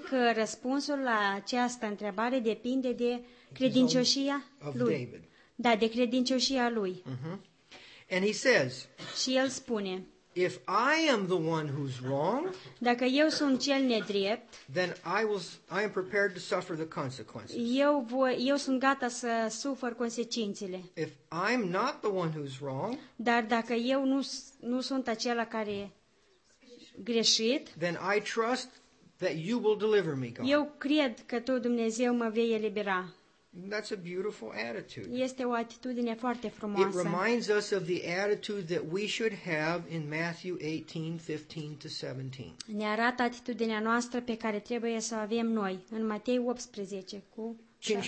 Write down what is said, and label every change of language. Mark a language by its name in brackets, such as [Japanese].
[Romanian] că răspunsul la această întrebare depinde de credincioșia lui. Da, de credincioșia lui. [English] And he says, [Romanian] și el spune, [English] if I am the one who's wrong, [Romanian] dacă eu sunt cel nedrept, [English] then I am prepared to suffer the consequences. [Romanian] Eu sunt gata să sufăr consecințele. [English] If I'm not the one who's wrong, [Romanian] dar dacă eu nu sunt acela care greșit, [English] then I trust that you will deliver me, God. [Romanian] Eu cred că tu, Dumnezeu, mă vei elibera. [English] That's a beautiful attitude. [Romanian] Este o atitudine foarte frumoasă. [English] It reminds us of the attitude that we should have in Matthew 18:15-17. [Romanian] Ne arată atitudinea noastră pe care trebuie să o avem noi în Matei 18 cu 15-17.